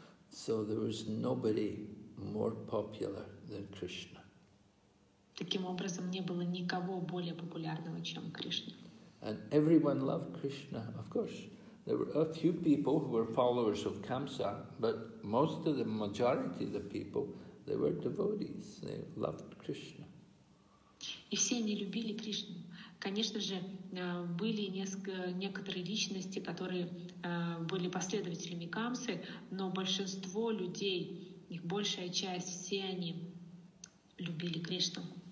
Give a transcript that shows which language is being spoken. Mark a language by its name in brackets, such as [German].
[English] So there was nobody more popular than Krishna. [Russian] Таким образом, не было никого более популярного, чем Кришна. [English] And everyone loved Krishna, of course. There were a few people who were followers of Kamsa, but most of the majority of the people, they were devotees. They loved Krishna. [Russian] И все они любили Кришну. Конечно же, были некоторые личности, которые были последователями Камсы, но большинство людей, их большая часть, все они любили Кришну.